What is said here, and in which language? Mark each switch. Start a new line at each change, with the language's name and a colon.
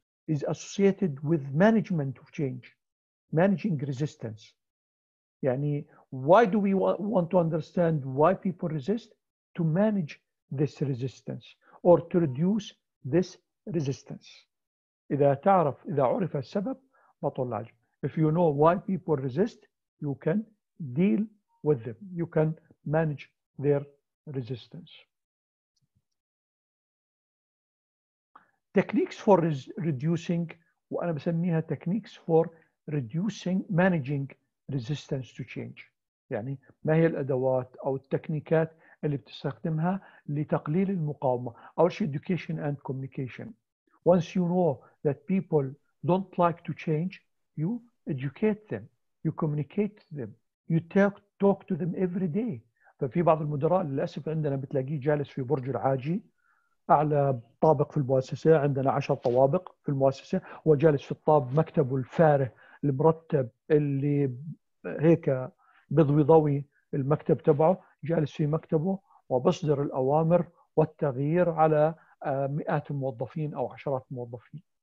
English: is associated with management of change, managing resistance. يعني why do we want to understand why people resist? To manage this resistance or to reduce this resistance.
Arabic: إذا تعرف إذا عرف السبب بطل العجب.
English: If you know why people resist, you can deal with them. You can manage their resistance. Techniques for reducing,
Arabic: وأنا بسميها
English: techniques for reducing, managing resistance to change.
Arabic: يعني ما هي الأدوات أو التكنيكات اللي بتستخدمها لتقليل المقاومة. أول شيء
English: education and communication. Once you know that people don't like to change, you educate them, you communicate them, you talk to them every day.
Arabic: ففي بعض المدراء للأسف عندنا بتلاقيه جالس في برج العاجي أعلى طابق في المؤسسة، عندنا 10 طوابق في المؤسسة، وجالس في الطابق مكتبه الفاره المرتب اللي هيك بضوي ضوي المكتب تبعه، جالس في مكتبه وبصدر الأوامر والتغيير على مئات الموظفين أو عشرات الموظفين.